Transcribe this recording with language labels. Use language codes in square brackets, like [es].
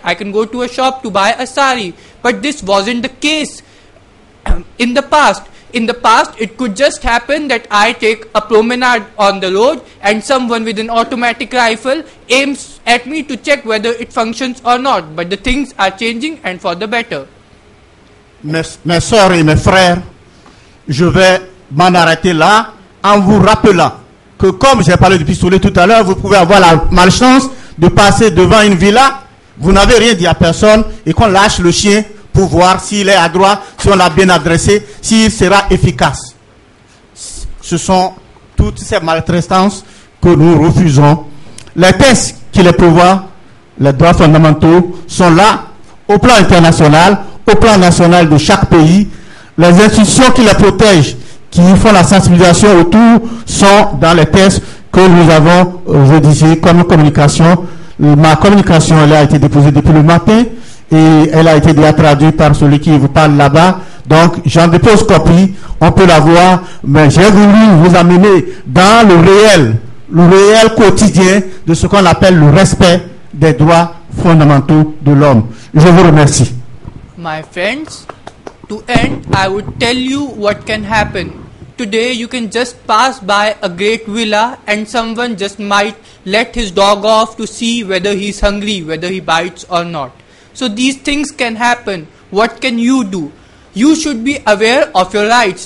[en] I can go to a shop to buy a sari. But this wasn't the case in the past. In the past, it could just happen that I take a promenade on the road and someone with an automatic rifle aims at me to check whether it functions or not. But the things are changing and for the better. [fr] Mes soeurs et mes frères, je vais m'en arrêter là en vous rappelant que comme j'ai parlé du pistolet tout à l'heure, vous pouvez avoir la malchance de passer devant une villa, vous n'avez rien dit à personne et qu'on lâche le chien pour voir s'il est adroit, si on l'a bien adressé, s'il sera efficace. Ce sont toutes ces maltraitances que nous refusons. Les textes qui les prévoient, les droits fondamentaux, sont là au plan international, au plan national de chaque pays. Les institutions qui les protègent, qui font la sensibilisation autour, sont dans les textes que nous avons, je disais, comme communication. Ma communication, elle a été déposée depuis le matin et elle a été déjà traduite par celui qui vous parle là-bas. Donc, j'en dépose copie, on peut la voir, mais j'ai voulu vous amener dans le réel quotidien de ce qu'on appelle le respect des droits fondamentaux de l'homme. Je vous remercie. [en] My friends, to end, I would tell you what can happen. Today, you can just pass by a great villa and someone just might let his dog off to see whether he's hungry, whether he bites or not. So these things can happen. What can you do? You should be aware of your rights.